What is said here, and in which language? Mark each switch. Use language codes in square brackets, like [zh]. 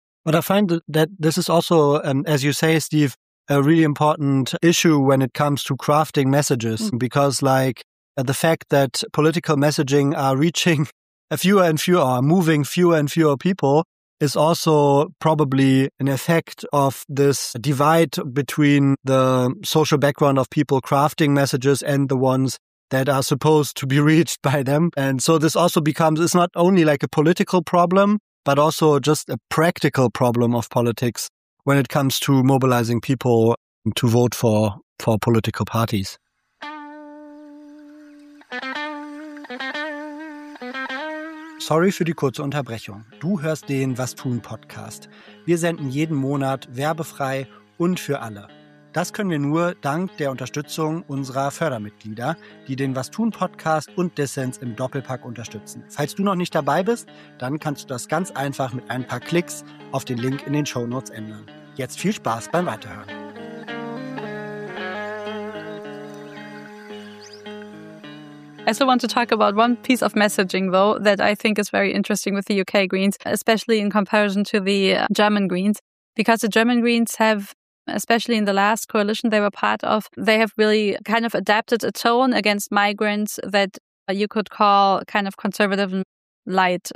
[en] But I find that this is also, as you say, Steve, a really important issue when it comes to crafting messages, because like the fact that political messaging are reaching fewer and fewer, are moving fewer and fewer people, is also probably an effect of this divide between the social background of people crafting messages and the ones that are supposed to be reached by them. And so this also becomes, it's not only like a political problem, but also just a practical problem of politics when it comes to mobilizing people to vote for political parties. [de] Sorry für die kurze Unterbrechung. Du hörst den Was tun Podcast. Wir senden jeden Monat werbefrei und für alle. Das können wir nur dank der Unterstützung unserer Fördermitglieder, die den Was tun Podcast und Dissens im Doppelpack unterstützen. Falls du noch nicht dabei bist, dann kannst du das ganz einfach mit ein paar Klicks auf den Link in den Shownotes ändern. Jetzt viel Spaß beim Weiterhören. [en] I still want to talk about one piece of messaging, though, that I think is very interesting with the UK Greens, especially in comparison to the German Greens, because the German Greens have, especially in the last coalition they were part of, they have really kind of adapted a tone against migrants that you could call kind of conservative and light.